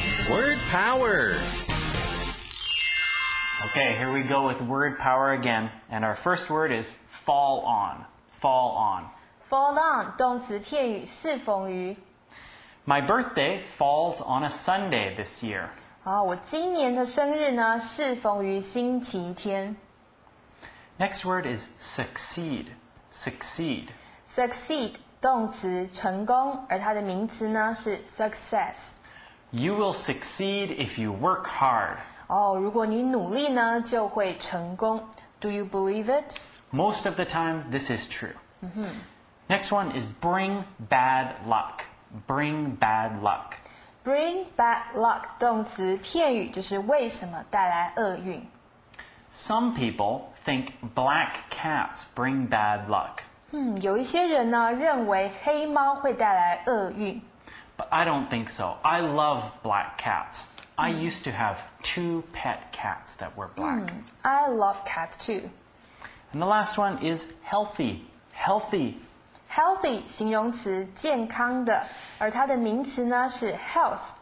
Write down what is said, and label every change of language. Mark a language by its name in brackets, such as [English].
[English] Word power. Okay, here we go with word power again. And our first word is fall on. Fall on. [Chinese] Fall on, 动词片语是逢于。 [English] My birthday falls on a Sunday this year. [Chinese] 我今年的生日呢是逢于星期天。 [English] Next word is succeed. Succeed. [Chinese] Succeed, 动词成功，而它的名词呢是 success. [English] You will succeed if you work hard. [Chinese] 如果你努力呢就会成功。 [English] Do you believe it? Most of the time, this is true. Next one is bring bad luck. Bring bad luck. [Chinese] Bring bad luck, 动词片语就是为什么带来厄运。 [English] Some people think black cats bring bad luck. [Chinese] 有一些人呢认为黑猫会带来厄运。 [English] But I don't think so. I love black cats. I used to have 2 pet cats that were black. I love cats too. And the last one is healthy. Healthy. [Chinese] Healthy, 形容词健康的。而它的名词呢是 health.